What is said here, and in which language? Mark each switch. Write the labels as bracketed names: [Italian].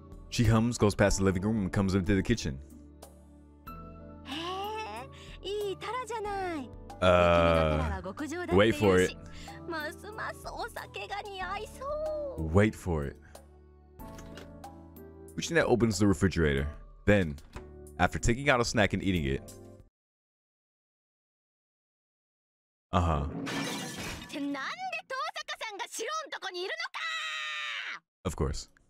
[English] She hums, goes past the living room, and comes into the kitchen. [Japanese] へえ、いいタラじゃない。 [English] Wait for it. [Japanese] ますますお酒が似合いそう。 [English] Wait for it. Fujine opens the refrigerator. Then, after taking out a snack and eating it,Of course.